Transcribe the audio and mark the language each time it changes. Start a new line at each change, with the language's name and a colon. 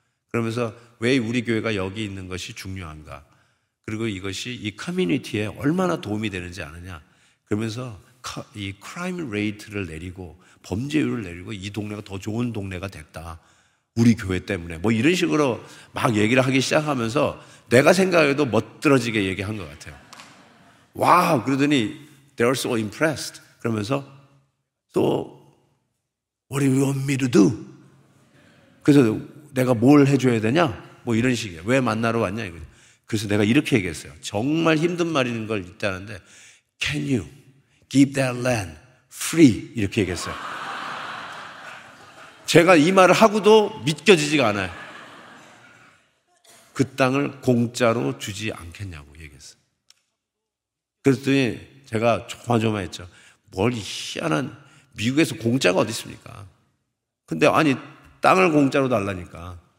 Korean: 그러면서 왜 우리 교회가 여기 있는 것이 중요한가 그리고 이것이 이 커뮤니티에 얼마나 도움이 되는지 아느냐 그러면서 이 크라임 레이트를 내리고 범죄율을 내리고 이 동네가 더 좋은 동네가 됐다. 우리 교회 때문에 뭐 이런 식으로 막 얘기를 하기 시작하면서 내가 생각해도 멋들어지게 얘기한 것 같아요. 와, 그러더니
English: they are so impressed.
Korean: 그러면서 또
English: so, what do you want me to do?
Korean: 그래서 내가 뭘 해줘야 되냐? 뭐 이런 식이에요. 왜 만나러 왔냐? 그래서 내가 이렇게 얘기했어요. 정말 힘든 말인 걸 있다는데
English: can you give that land free?
Korean: 이렇게 얘기했어요. 제가 이 말을 하고도 믿겨지지가 않아요. 그 땅을 공짜로 주지 않겠냐고 얘기했어요. 그랬더니 제가 조마조마했죠. 뭘 희한한, 미국에서 공짜가 어디 있습니까? 근데 아니 땅을 공짜로 달라니까.